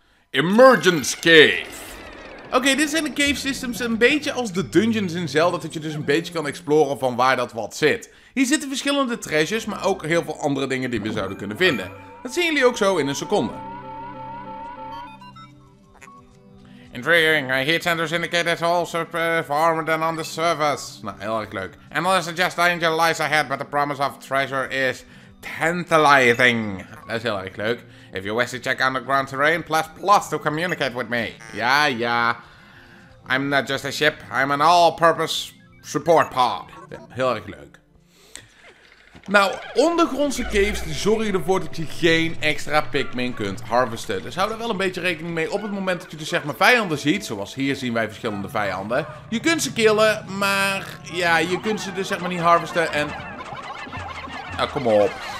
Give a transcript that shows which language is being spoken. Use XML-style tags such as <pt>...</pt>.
<nl>Emergence cave. Oké, dit zijn de cave systems een beetje als de dungeons in Zelda, dat je dus een beetje kan exploren van waar dat wat zit. Hier zitten verschillende treasures, maar ook heel veel andere dingen die we zouden kunnen vinden. Dat zien jullie ook zo in een seconde.</nl> <en>Intriguing, heat centers indicate it's also warmer than on the surface.</en> <nl>Nou, heel erg leuk.</nl> <en>And there's a just danger lies ahead, but the promise of treasure is tantalizing.</en> <nl>Dat is heel erg leuk.</nl> <en>If you wish to check underground terrain, press plus to communicate with me.</en> <nl>Ja, ja.</nl> <en>I'm not just a ship, I'm an all-purpose support pod.</en> <nl>Ja, heel erg leuk. Nou, ondergrondse caves zorgen ervoor dat je geen extra Pikmin kunt harvesten. Dus hou er wel een beetje rekening mee op het moment dat je dus zeg maar vijanden ziet. Zoals hier zien wij verschillende vijanden. Je kunt ze killen, maar ja, je kunt ze dus zeg maar niet harvesten en... Nou, kom op.</nl>